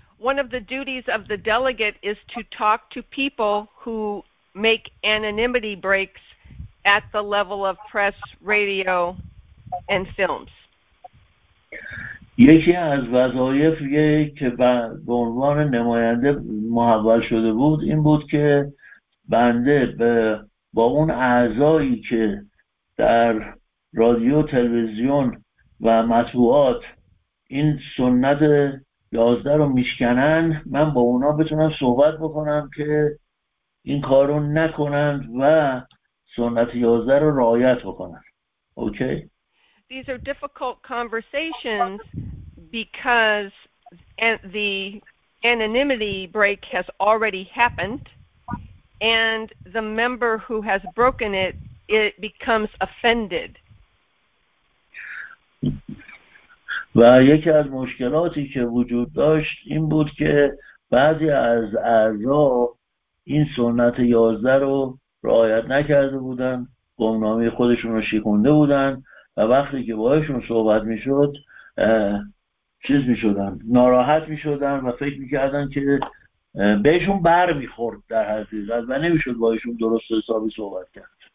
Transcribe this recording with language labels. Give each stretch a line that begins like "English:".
English: One of the duties of the delegate is to talk to people who make anonymity breaks at the level of press, radio and films.
Persian: یکی از وظایف که به عنوان نماینده محول شده بود این بود که بنده به با اون اعضایی که در رادیو تلویزیون و مطبوعات این سنت 11 رو میشکنن، من با اونا بتونم صحبت بکنم که این کار رو نکنند و سنت 11 رو رعایت بکنن.
English: Okay? These are difficult conversations because the anonymity break has already happened, and the member who has broken it, it becomes offended.
Persian: و یکی از مشکلاتی که وجود داشت این بود که بعضی از اعضا این سنت 11 رو رعایت نکرده بودن، گمنامی خودشون رو شکنده بودن و وقتی که باهاشون صحبت میشد چیز میشدن، ناراحت میشدن و فکر میکردن که بهشون بر میخورد در حقیقت و نمیشد باهاشون درست حسابی صحبت کرد.